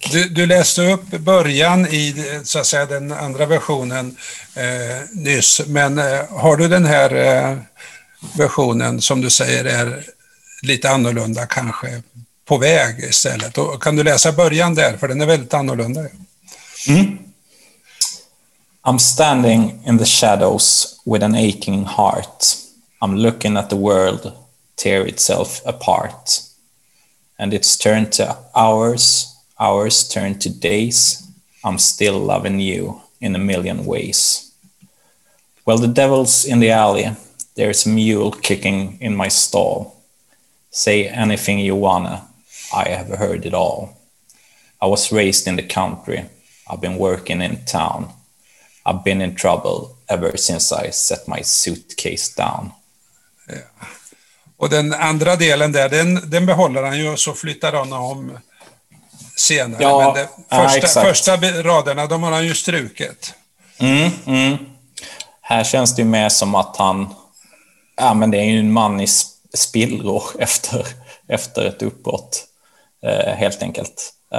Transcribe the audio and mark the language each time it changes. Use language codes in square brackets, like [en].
[sv] Du läste upp början i, så att säga, den andra versionen nyss, men har du den här versionen som du säger är lite annorlunda, kanske på väg istället? Och kan du läsa början där, för den är väldigt annorlunda. [en] I'm standing in the shadows with an aching heart. I'm looking at the world tear itself apart. And it's turned to hours. Hours turn to days, I'm still loving you in a million ways. Well, the devil's in the alley, there's a mule kicking in my stall. Say anything you wanna, I have heard it all. I was raised in the country, I've been working in town. I've been in trouble ever since I set my suitcase down. Yeah. [sv] Och den andra delen där, den behåller han ju, och så flyttar han om senare, ja, men första raderna, de har han ju struket. Här känns det ju mer som att han, ja, men det är ju en man i spillror efter ett uppbrott, helt enkelt.